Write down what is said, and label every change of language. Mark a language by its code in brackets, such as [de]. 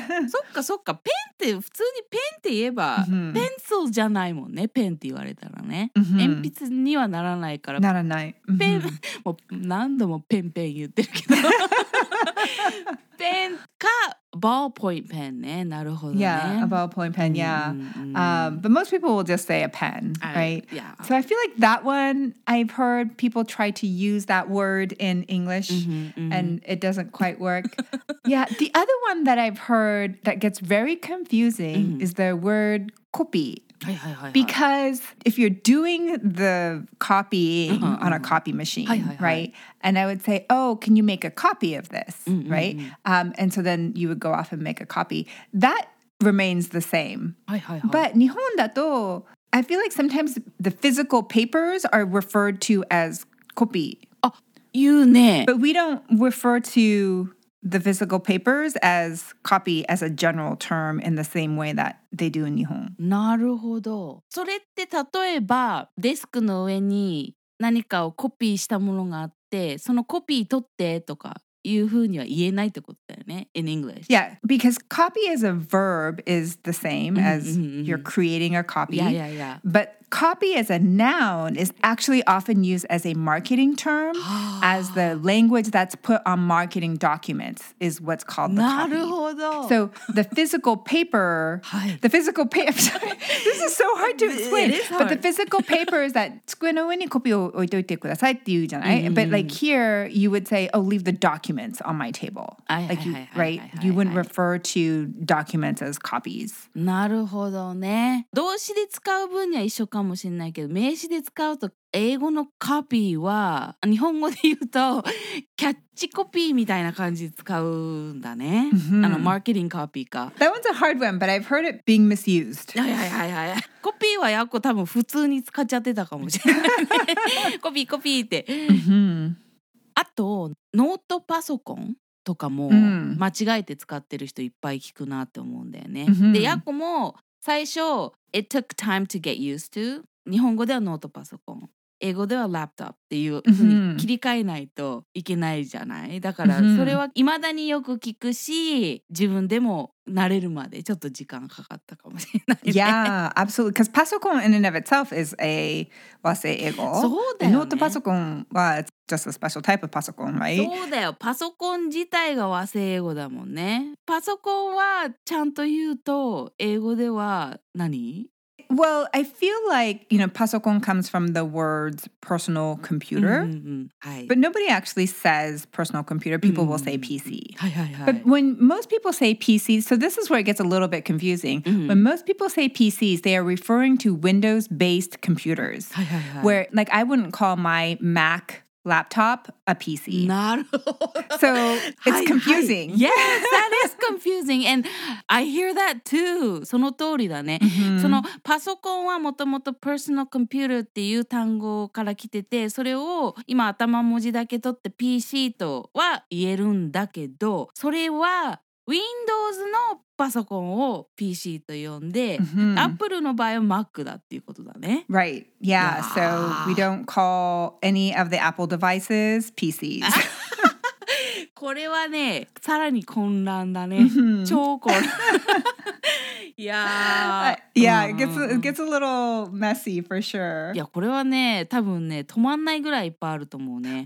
[ja] そっかそっか、ペンって普通にペンって言えば、mm-hmm. ペンスルじゃないもんね、ペンって言われたらね、 mm-hmm. 鉛筆にはならないから、ならない、 mm-hmm. ペン、もう何度もペンペン言ってるけど、ペンか ballpoint pen ね。なるほどね。 [en] Yeah, a ballpoint pen, yeah. But most people will just say a pen, right? Yeah. So I feel like that one, I've heard people try to use that word in English, and it doesn't quite work. Yeah, the other one that I've heard that gets very confusing is the word copy. Because if you're doing the copying on a copy machine, right? And I would say, oh, can you make a copy of this, right? And so then you would go off and make a copy. That remains the same. But [ja] 日本だと, [en] I feel like sometimes the physical papers are referred to as copy. Oh, you ね. But we don't refer to... the physical papers as copy as a general term in the same way that they do in 日本。 [ja] なるほど。それって例えばデスクの上に何かをコピーしたものがあって、そのコピー取ってとかいうふうには言えないってことだよね。 [en] In English. Yeah, because copy as a verb is the same as you're creating a copy. Yeah, yeah, yeah. But copy as a noun is actually often used as a marketing term, as the language that's put on marketing documents is what's called the copy. [ja] なるほど。 [en] So the physical paper, the physical paper, this is so hard to explain. It is hard. But the physical paper is that [ja] 机の上にコピーを置いておいてくださいって言うじゃない? [en] But like here, you would say, oh, leave the documents on my table. Like you, right? You wouldn't refer to documents as copies. [ja] なるほどね。動詞で使う分には一緒かもしれないけど、名詞で使うと英語のコピーは日本語で言うとキャッチコピーみたいな感じで使うんだね。あのマーケティングコピーか。 [en] That one's a hard one, but I've heard it being misused. [ja] はいはいはいはい。コピーはやっこ多分普通に使っちゃってたかもしれない、ね。コピーコピーって。あとノートパソコンとかも間違えて使ってる人いっぱい聞くなって思うんだよね。でやっこも最初 [en] it took time to get used to [ja] 日本語ではノートパソコン英語ではラプトップっていう切り替えないといけないじゃないだからそれは未だによく聞くし自分でも慣れるまでちょっと時間かかったかもしれない、ね、 [en] Yeah, absolutely. Because パソコン in and of itself is a 和製英語 [ja] そうだよね [en] ノートパソコンは it's just a special type of パソコン、right? [ja] そうだよパソコン自体が和製英語だもんねパソコンはちゃんと言うと英語では何 [en] Well, I feel like, you know, pasokon comes from the words personal computer. But nobody actually says personal computer. People will say PC. But when most people say PCs, so this is where it gets a little bit confusing. When most people say PCs, they are referring to Windows-based computers. Where, like, I wouldn't call my Mac laptop a PC. [ja] なるほど。 [en] So it's confusing. Yes, that is confusing. And I hear that too. [ja] その通りだね。そのパソコンはもともと personal computer っていう単語から来てて、それを今頭文字だけ取って PC とは言えるんだけど、それは Windows のパソコンを PC と呼んで、Apple の場合は Mac だっていうことだね。 [en] Right. Yeah. So we don't call any of the Apple devices PCs. [ja] これはね、さらに混乱だね。超混乱。 [en] Yeah, it gets a little messy for sure. [ja] Yeah, これはね、多分ね、止まんないぐらいいっぱいあると思うね。